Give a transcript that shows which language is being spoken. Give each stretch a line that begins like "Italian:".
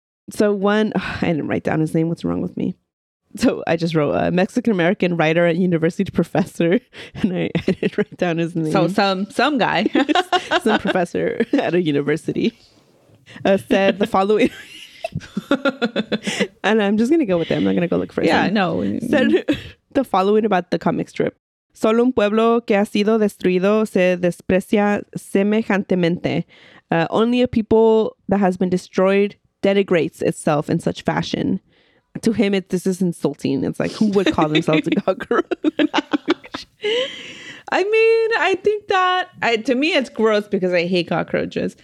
English: So one, I didn't write down his name. What's wrong with me? So I just wrote a Mexican-American writer and university professor. And I didn't write down his name. So some guy. Some professor at a university said the following. And I'm just going to go with it. I'm not going to go look for it. Yeah, no. Said the following about the comic strip.
Spanish: Solo un pueblo que ha sido destruido se desprecia semejantemente.
English: Only a people that has been destroyed denigrates itself in such fashion. To him, this is insulting. It's like, who would call themselves a cockroach? I mean, I think that to me it's gross because I hate cockroaches.